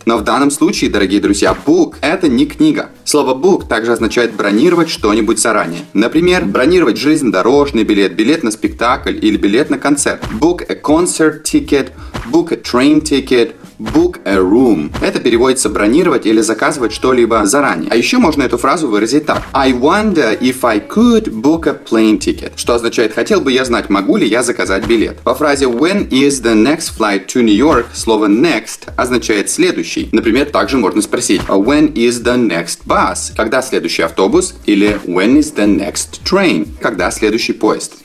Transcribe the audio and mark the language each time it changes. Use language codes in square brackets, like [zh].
[ru] Но в данном случае, дорогие друзья, book – это не книга. Слово book также означает бронировать что-нибудь заранее. Например, бронировать железнодорожный билет, билет на спектакль, или билет на концерт. [en] Book a concert ticket, book a train ticket, book a room. [ru] Это переводится бронировать или заказывать что-либо заранее. А еще можно эту фразу выразить так. [en] I wonder if I could book a plane ticket. [ru] Что означает, хотел бы я знать, могу ли я заказать билет. По фразе [en] when is the next flight to New York, [ru] слово next означает следующий. Например, также можно спросить [en] when is the next bus, [ru] когда следующий автобус, или [en] when is the next train, [ru] когда следующий поезд.